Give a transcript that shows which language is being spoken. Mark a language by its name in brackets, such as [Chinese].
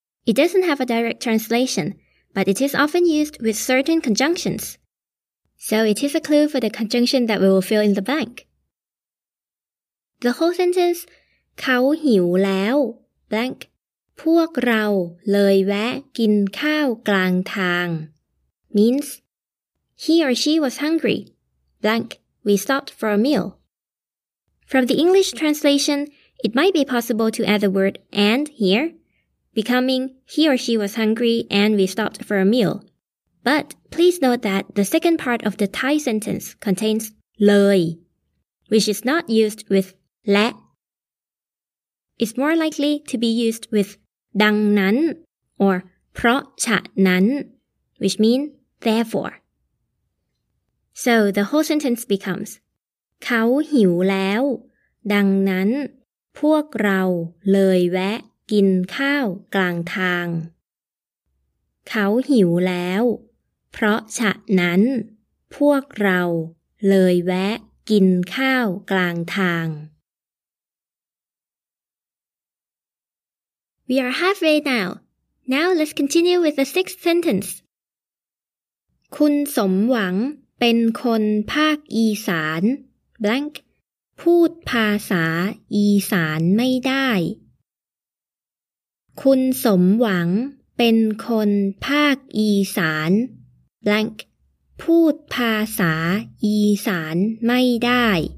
[English] It doesn't have a direct translation, but it is often used with certain conjunctions. So it is a clue for the conjunction that we will fill in the blank. The whole sentence, [Thai] เขาหิวแล้ว [English] blank, [Thai] พวกเราเลยแวะกินข้าวกลางทาง [English] means, he or she was hungry, blank, we stopped for a meal. From the English translation, it might be possible to add the word and here, becoming he or she was hungry and we stopped for a meal. But please note that the second part of the Thai sentence contains เลย, which is not used with และ. It's more likely to be used with ดังนั้น or เพราะฉะนั้น, which mean therefore. So the whole sentence becomes [Thai] เขาหิวแล้วดังนั้นพวกเราเลยแวะกินข้าวกลางทาง เขาหิวแล้วเพราะฉะนั้นพวกเราเลยแวะกินข้าวกลางทาง [English] We are halfway now. Now let's continue with the sixth sentence. [Thai] คุณสมหวังเป็นคนภาคอีสาน blank พูดภาษาอีสานไม่ได้ คุณสมหวังเป็นคนภาคอีสาน blank พูดภาษาอีสานไม่ได้